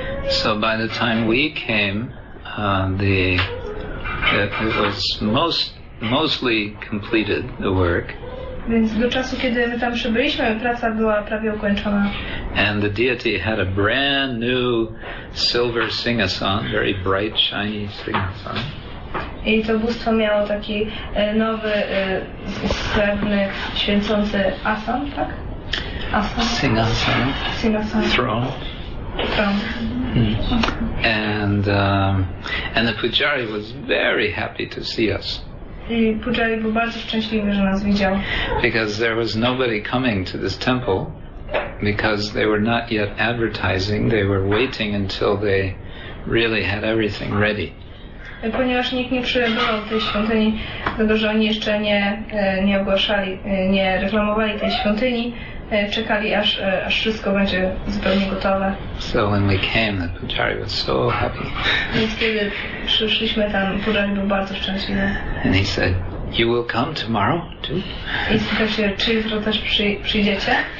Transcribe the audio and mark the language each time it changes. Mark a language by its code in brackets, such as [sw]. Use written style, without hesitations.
[en] So by the time we came, it was mostly completed, the work. [pl] Więc do czasu, kiedy my tam przybyliśmy, praca była prawie ukończona. [en] And the deity had a brand new silver singhasan, very bright, shiny singhasan. [pl] I to bóstwo miało taki nowy, srebrny, święcący asan, tak? [en] Asan? Singhasan. Singhasan. Throne. And the pujari was very happy to see us. [pl] I Pujari był bardzo szczęśliwy, że nas widział. [en] Because there was nobody coming to this temple, because they were not yet advertising, they were waiting until they really had everything ready. [pl] Ponieważ nikt nie przybywał do tej świątyni, dlatego że oni jeszcze nie ogłaszali, nie reklamowali tej świątyni, czekali aż wszystko będzie zupełnie gotowe. [en] So when we came, the Pujari was so happy. [pl] Więc kiedy przyszliśmy tam, Pujari był bardzo szczęśliwy. [en] And he said, "You will come tomorrow too?" [pl] I spytał się, czy jutro też przyjdziecie?